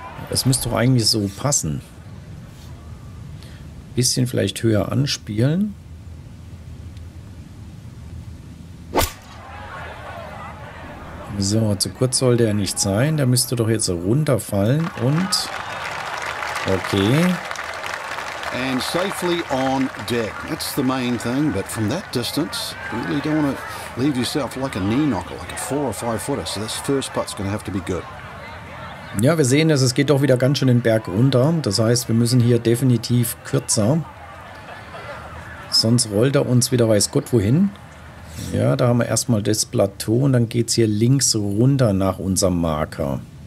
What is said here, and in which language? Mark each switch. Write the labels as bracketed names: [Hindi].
[German] Das müsste doch eigentlich so passen. Ein bisschen vielleicht höher anspielen. So, zu kurz sollte er nicht sein. Der müsste doch jetzt runterfallen und... Okay. [English] And safely on deck. That's the main thing, but from that distance, really don't want to leave yourself like a knee knocker, like a four or five footer. So this first putt's going to have to be good. [German] Ja, wir sehen es, es geht doch wieder ganz schön den Berg runter. Das heißt, wir müssen hier definitiv kürzer. Sonst rollt er uns wieder weiß Gott wohin. Ja, da haben wir erstmal das Plateau und dann geht es hier links runter nach unserem Marker.